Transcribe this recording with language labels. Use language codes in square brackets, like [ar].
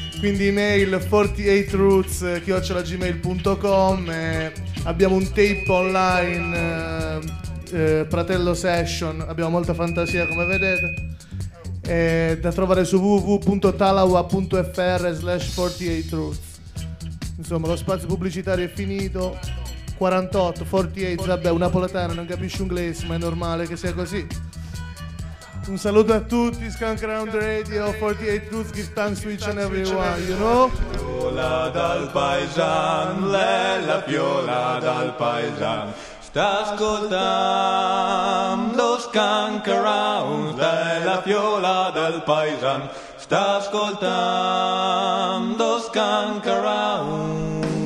[it] Quindi email 48roots@gmail.com, abbiamo un tape online, Pratello Session, abbiamo molta fantasia come vedete, da trovare su www.talawa.fr/48roots. Insomma, lo spazio pubblicitario è finito. 48, 48, vabbè, un napoletano non capisce un inglese, ma è normale che sia così. Un saluto a tutti, [en] Skank Around Radio, 48 Roots, give thanks to each and everyone, you know? [it] Piola dal paesan, la piola dal paesan, sta ascoltando Skank Around, la piola dal paesan, sta ascoltando Skank Around.